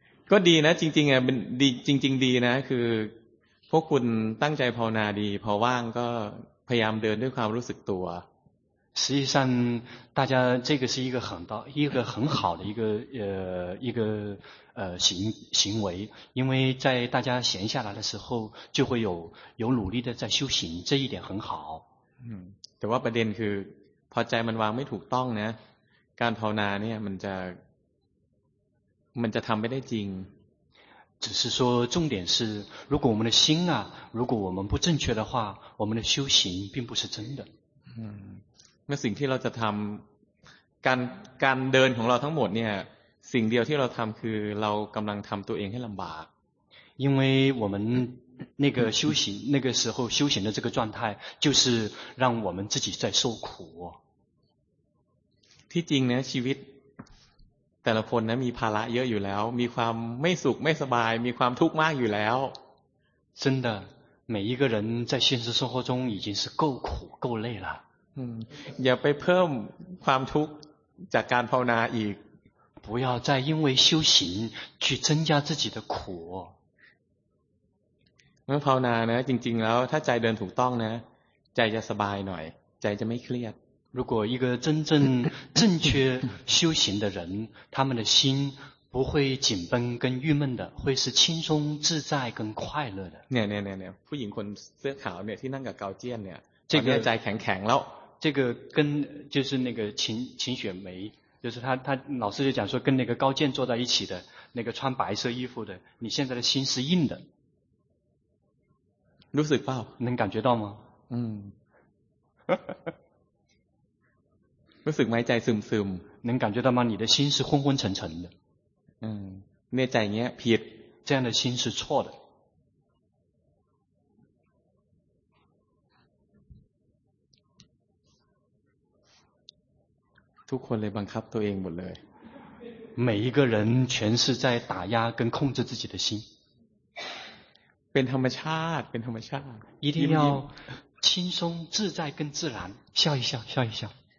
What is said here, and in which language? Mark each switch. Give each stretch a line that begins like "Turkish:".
Thai: ก็ดีนะจริงๆอ่ะมันดีจริงๆดีนะคือพวกคุณตั้งใจภาวนาดีพอว่างก็พยายามเดินด้วยความรู้สึกตัว
Chinese: 实际上大家这个是一个很好的一个行为因为在大家闲下来的时候就会有努力的在修行这一点很好
Thai: แต่ว่าประเด็นคือพอใจมันวางไม่ถูกต้องนะการภาวนาเนี่ยมันจะทำไม่ได้จริง
Chinese: 只是说重点是如果我们的心啊如果我们不正确的话我们的修行并不是真的
Thai: เมื่อสิ่งที่เราจะทำการเดินของเราทั้งหมดเนี่ยสิ่งเดียวที่เราทำคือเรากำลังทำตัวเองให้ลำบาก
Chinese: 因为我们那个修行那个时候修行的这个状态就是让我们自己在受苦
Thai: ที่จริงนะชีวิตแต่ละคนนะมีภาระเยอะอยู่แล้วมีความไม่สุขไม่สบายมีความทุกข์มากอยู่แล้ว
Chinese: 真的每一个人在现实生活中已经是够苦够累了
Thai: อย่าไปเพิ่มความทุกข์จากการภาวนาอีก
Chinese: 不要再因为修行去增加自己的苦
Thai: เมื่อภาวนานะจริงๆแล้วถ้าใจเดินถูกต้องนะใจจะสบายหน่อยใจจะไม่เครียด
Chinese: 如果一个真正正确修行的人他们的心不会紧绷跟郁闷的会是轻松自在跟快乐的
Thai: เนี่ยเนี่ยผู้หญิงคนเสื้อขาวเนี่ยที่นั่งกับเกาเจี้ยนเนี่ยตอนนี้ใจแข็งแข็งแล้ว
Chinese: 这个跟就是那个秦雪梅就是他老师就讲说跟那个高健坐在一起的那个穿白色衣服的你现在的心是硬的
Thai: รู้สึกเปล่า
Chinese: 能感觉到吗
Thai: รู้สึกไหมใจซึมซึม
Chinese: 能感觉到吗你的心是昏昏沉沉的
Thai: เนี่ยใจเนี้ยผิด
Chinese: 这样的心是错的
Thai: ทุกคนเลยบังคับตัวเองหมดเลย
Chinese: 每一个人全是在打压跟控制自己的心
Thai: เป็นธรรมชาติเป็นธรรมชาติ
Chinese: 一定要轻松自在跟自然笑一笑笑一笑